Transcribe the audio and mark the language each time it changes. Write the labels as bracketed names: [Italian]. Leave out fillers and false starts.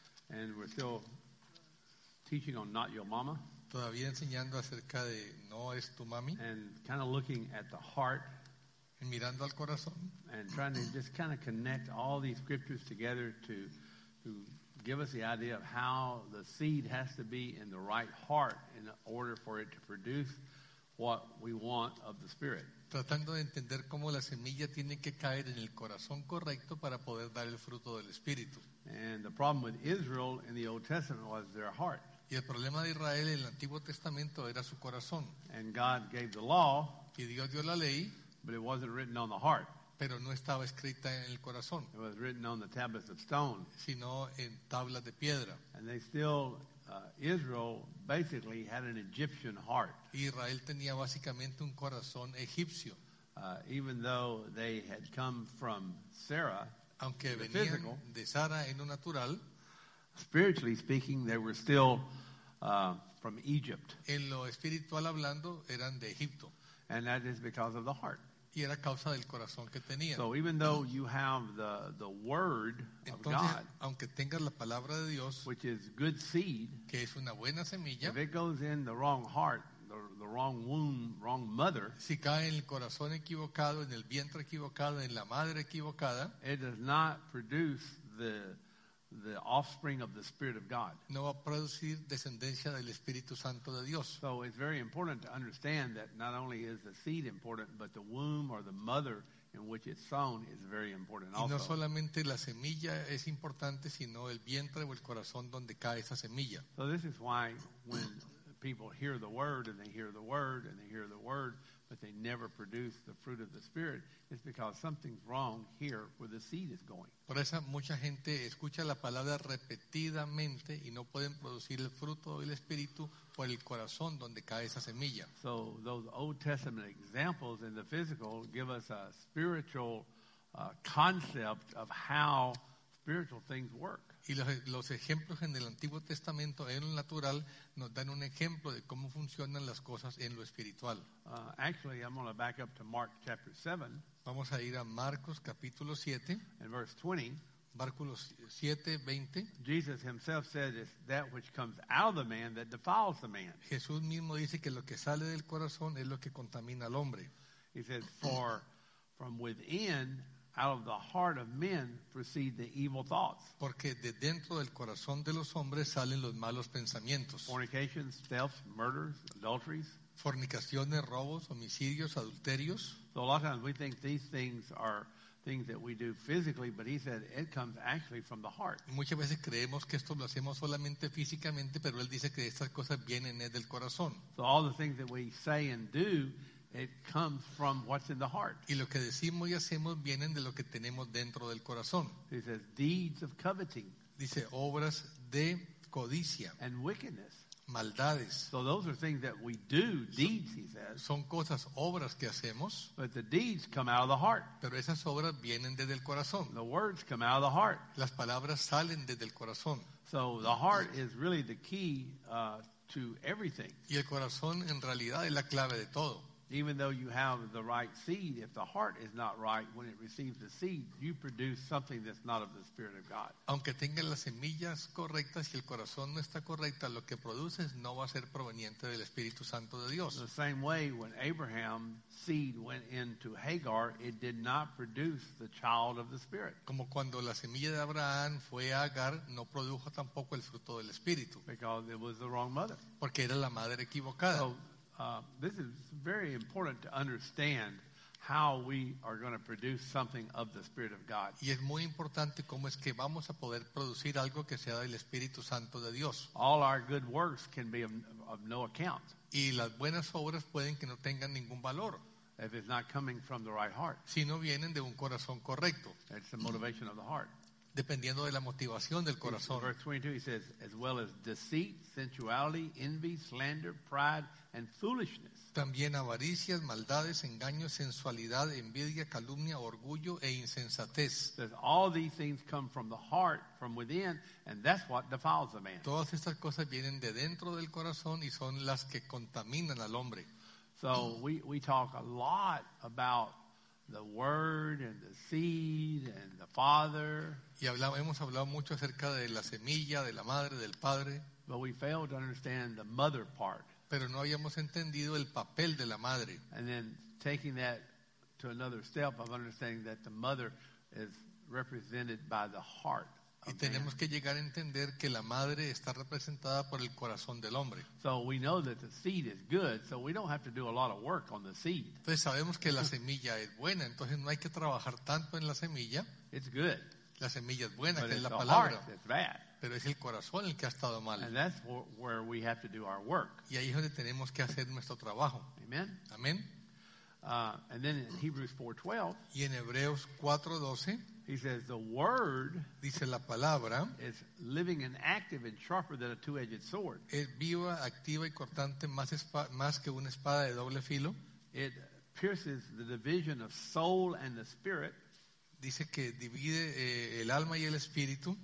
[English] And we're still teaching on not your mama. [Spanish] Todavía enseñando acerca de no es tu mami. [English] And kind of looking at the heart. [Spanish] Y mirando al corazón. [English] And trying to just kind of connect all these scriptures together to give us the idea of how the seed has to be in the right heart in order for it to produce what we want of the Spirit. [Spanish] Tratando de entender cómo la semilla tiene que caer en el corazón correcto para poder dar el fruto del Espíritu. [English] And the problem with Israel in the Old Testament was their heart. [Spanish] Y el problema de Israel en el Antiguo Testamento era su corazón. [English] And God gave the law, [Spanish] y Dios dio la ley, [English] but it wasn't written on the heart. [Spanish] Pero no estaba escrita en el corazón. [English] It was written on the tablets of stone. [Spanish] Sino en tablas de piedra. [English] And they still, Israel basically had an Egyptian heart. [Spanish] Israel tenía básicamente un corazón egipcio. [English] Even though they had come from Sarah, [Spanish] aunque venían [English] physical, [Spanish] de Sara en lo natural, [English] spiritually speaking, they were still from Egypt. [Spanish] En lo espiritual hablando, eran de Egipto. [English] And that is because of the heart. [Spanish] Y era causa del corazón que tenía. [English] So even though you have the word [Spanish] entonces, [English] of God, [Spanish] aunque tengas la palabra de Dios, [English] which is good seed, [Spanish] que es una buena semilla, [English] if it goes in the wrong heart, the wrong womb, wrong mother, [Spanish] si cae en el corazón equivocado, en el vientre equivocado, en la madre equivocada, [English] it does not produce the offspring of the Spirit of God. [Spanish] No va a producir descendencia del Espíritu Santo de Dios. [English] So it's very important to understand that not only is the seed important, but the womb or the mother in which it's sown is very important also. [Spanish] Y no solamente la semilla es importante, sino el vientre o el corazón donde cae esa semilla. [English] So this is why when people hear the word and they hear the word and they hear the word, but they never produce the fruit of the Spirit, it's because something's wrong here where the seed is going. [Spanish] Por eso mucha gente escucha la palabra repetidamente y no pueden producir el fruto del Espíritu por el corazón donde cae esa semilla. [English] So those Old Testament examples in the physical give us a spiritual concept of how spiritual things work. [Spanish] Y los ejemplos en el Antiguo Testamento en lo natural nos dan un ejemplo de cómo funcionan las cosas en lo espiritual. [English] Actually, I'm going to back up to Mark chapter 7. [Spanish] Vamos a ir a Marcos capítulo 7. [English] In verse 20. [Spanish] Marcos 7, 20. [English] Jesus himself said it's that which comes out of the man that defiles the man. [Spanish] Jesús mismo dice que lo que sale del corazón es lo que contamina al hombre. [English] He says, for from within, out of the heart of men proceed the evil thoughts. [Spanish] Porque de dentro del corazón de los hombres salen los malos pensamientos. [English] Fornications, thefts, murders, adulteries. [Spanish] Fornicaciones, robos, homicidios, adulterios. [English] So a lot of times we think these things are things that we do physically, but he said it comes actually from the heart. [Spanish] Muchas veces creemos que esto lo hacemos solamente físicamente, pero él dice que estas cosas vienen del corazón. [English] So all the things that we say and do, it comes from what's in the heart. [Spanish] Y lo que decimos y hacemos vienen de lo que tenemos dentro del corazón. [English] He says deeds of coveting. [Spanish] Dice obras de codicia. [English] And wickedness. [Spanish] Maldades. [English] So those are things that we do, deeds, he says. [Spanish] Son cosas, obras que hacemos. [English] But the deeds come out of the heart. [Spanish] Pero esas obras vienen desde el corazón. [English] The words come out of the heart. [Spanish] Las palabras salen desde el corazón. [English] So the heart is really the key to everything. [Spanish] Y el corazón en realidad es la clave de todo. [English] Even though you have the right seed, if the heart is not right when it receives the seed, you produce something that's not of the Spirit of God. [Spanish] Aunque tengan las semillas correctas y el corazón no está correcto, lo que produces no va a ser proveniente del Espíritu Santo de Dios. [English] The same way when Abraham's seed went into Hagar, it did not produce the child of the Spirit. [Spanish] Como cuando la semilla de Abraham fue a Agar, no produjo tampoco el fruto del Espíritu. [English] Because it was the wrong mother. [Spanish] Porque era la madre equivocada. [English] So, this is very important to understand how we are going to produce something of the Spirit of God. [Spanish] Y es muy importante cómo es que vamos a poder producir algo que sea del Espíritu Santo de Dios. [English] All our good works can be of no account. [Spanish] Y las buenas obras pueden que no tengan ningún valor. [English] If it's not coming from the right heart. [Spanish] Si no vienen de un corazón correcto. [English] It's the motivation of the heart. [Spanish] Dependiendo de la motivación del corazón. [English] Verse 22, he says, as well as deceit, sensuality, envy, slander, pride, and foolishness. [Spanish] También avaricias, maldades, engaños, sensualidad, envidia, calumnia, orgullo, e insensatez. [English] Says, all these things come from the heart, from within, and that's what defiles a man. [Spanish] Todas estas cosas vienen de dentro del corazón y son las que contaminan al hombre. [English] So we talk a lot about the word and the seed and the father. [Spanish] Y hemos hablado mucho acerca de la semilla, de la madre, del padre. [English] But we failed to understand the mother part. [Spanish] Pero no habíamos entendido el papel de la madre. [English] And then taking that to another step of understanding that the mother is represented by the heart. [Spanish] Y tenemos que llegar a entender que la madre está representada por el corazón del hombre. [English] So we know that the seed is good, so we don't have to do a lot of work on the seed. [Spanish] Entonces sabemos que la semilla es buena, entonces no hay que trabajar tanto en la semilla. [English] It's good. [Spanish] La semilla es buena, [English] but [Spanish] que es la palabra. [English] But it's the heart that's bad. [Spanish] Pero es el corazón el que ha estado mal. [English] And that's where we have to do our work. [Spanish] Y ahí es donde tenemos que hacer nuestro trabajo. [English] Amen. [Spanish] Amén. [English] And then in Hebrews 4:12. [Spanish] Y en Hebreos 4:12. [English] He says the word, [Spanish] dice la palabra, [English] is living and active and sharper than a two-edged sword. [Spanish] Es viva, activa y cortante más que una espada de doble filo. [English] It pierces the division of soul and the spirit. [Spanish] Dice que divide el alma y el espíritu.